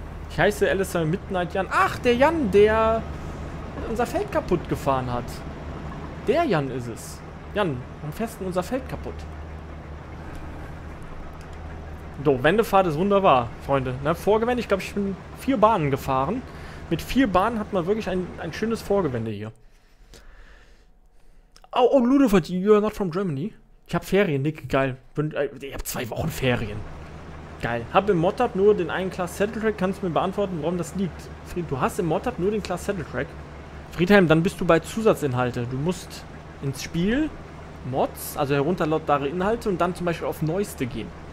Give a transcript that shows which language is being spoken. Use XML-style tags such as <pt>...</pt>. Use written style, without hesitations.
<de>Ich heiße LSM Midnight Jan. Ach, der Jan, der unser Feld kaputt gefahren hat. Der Jan ist es. Jan, am festen unser Feld kaputt. So, Wendefahrt ist wunderbar, Freunde. Ne, vorgewendet, ich glaube, ich bin 4 Bahnen gefahren. Mit 4 Bahnen hat man wirklich ein schönes Vorgewende hier.</de> <en>Oh, oh, Ludovic, you are not from Germany.</en> <de>Ich habe Ferien, Nick, geil. Ich habe 2 Wochen Ferien. Geil. Hab im Modtab nur den einen Class Saddletrack. Kannst du mir beantworten, warum das liegt? Fried, du hast im Modtab nur den Class Saddletrack. Friedhelm, dann bist du bei Zusatzinhalte. Du musst ins Spiel, Mods, also herunterladbare Inhalte und dann zum Beispiel auf Neueste gehen.</de>